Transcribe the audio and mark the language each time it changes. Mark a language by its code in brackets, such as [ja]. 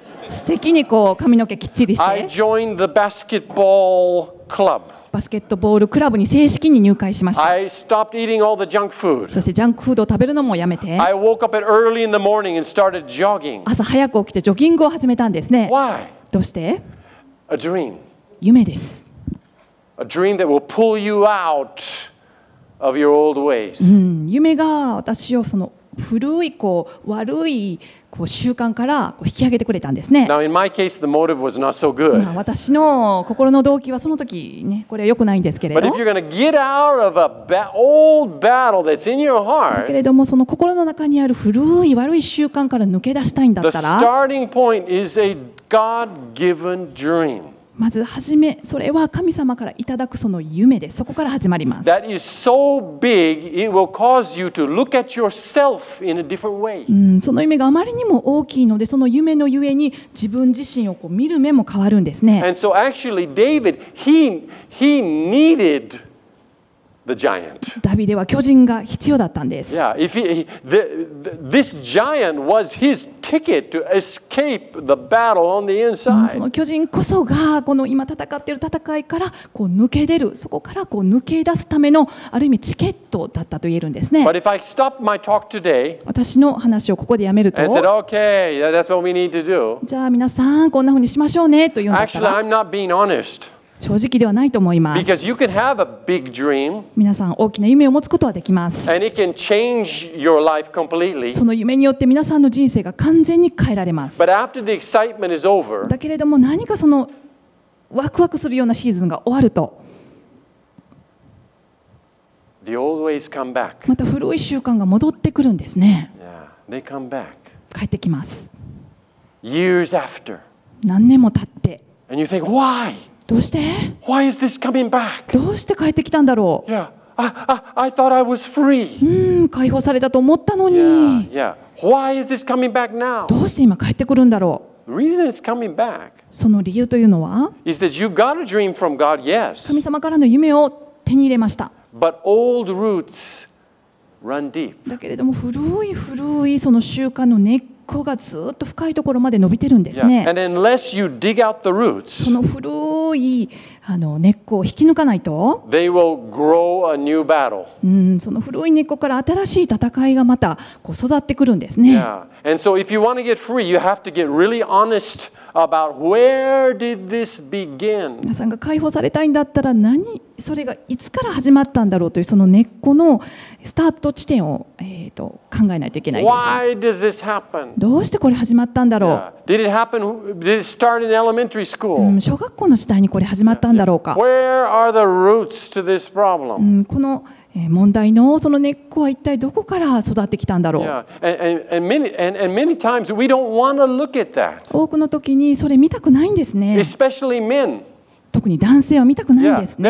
[ja] 素敵にこう髪の毛きっちりして。 [en] I joined the basketball club. [ja] バスケットボールクラブに正式に入会しました。 [en] I stopped eating all the junk food. [ja] そしてジャンクフードを食べるのもやめて。 [en] I woke up early in the morning and started jogging. [ja] 朝早く起きてジョギングを始めたんですね。 [en] Why? [ja] どうして? [en] A dream. [ja] 夢です。 [en] A dream that will pull you out of your old ways. [ja] うん、夢が私をその古いこう悪いこう習慣からこう引き上げてくれたんですね。 [en] Now, in my case, the motive was not so good. [ja] まあ私の心の動機はその時ね、これは良くないんですけれど。 [en] But if you're going to get out of a old battle that's in your heart, [ja] だけれどもその心の中にある古い悪い習慣から抜け出したいんだったら、 [en] The starting point is a God-given dream. [ja] まず始め、それは神様からいただくその夢です。そこから始まります。 [en] That is so big, it will cause you to look at yourself in a different way. [ja] その夢があまりにも大きいので、その夢のゆえに自分自身をこう見る目も変わるんですね。 [en] And so actually, David, he needed the giant. [ja] ダビデは巨人が必要だったんです。 [en] Yeah, if this giant was his ticket to escape the battle on the inside. [ja] その巨人こそがこの今戦っている戦いからこう抜け出る、そこからこう抜け出すためのある意味チケットだったと言えるんですね。 [en] But if I stop my talk today, [ja] 私の話をここでやめると、 [en] and said, "Okay, that's what we need to do." [ja] じゃあ皆さんこんな風にしましょうねと言うんだから。 [en] Actually, I'm not being honest. [ja] 正直ではないと思います。 [en] Because you can have a big dream, [ja] 皆さん大きな夢を持つことはできます。 [en] And it can change your life completely. [ja] その夢によって皆さんの人生が完全に変えられます。 [en] But after the excitement is over, [ja] だけれども何かそのワクワクするようなシーズンが終わると、 [en] the old ways come back. [ja] また古い習慣が戻ってくるんですね。 [en] Yeah, they come back. [ja] 帰ってきます。 [en] Years after. [ja] 何年も経って。 [en] And you think, why? [ja] どうして? [en] Why is this coming back? [ja] どうして帰ってきたんだろう? [en] Yeah. I thought I was free. [ja] 解放されたと思ったのに。 [en] Yeah. Why is this coming back now? [ja] どうして今帰ってくるんだろう? [en] The reason it's coming back. [ja] その理由というのは? [en] Is that you got a dream from God, yes. [ja] 神様からの夢を手に入れました。 [en] But old roots run deep. [ja] だけれども古い古いその習慣の根っこがずっと深いところまで伸びてるんですね。 [en] Yeah. And unless you dig out the roots, [ja] その古いあの根っこを引き抜かないと、 [en] they will grow a new battle. [ja] その古い根っこから新しい戦いがまたこう育ってくるんですね。 [en] Yeah. And so if you want to get free, you have to get really honest about where did this begin. [ja] 皆さんが解放されたいんだったら何それがいつから始まったんだろうというその根っこのスタート地点を考えないといけないです。 [en] Why does this happen? [ja] どうしてこれ始まったんだろう。 [en] Yeah. Did it happen? Did it start in elementary school? [ja] 小学校の時代にこれ始まったんだろうか。 [en] Where are the roots to this problem? [ja] この問題のその根っこは一体どこから育ってきたんだろう。 [en] And many times we don't want to look at that. [ja] 多くの時にそれ見たくないんですね。 [en] Especially men. [ja] 特に男性は見たくないんですね。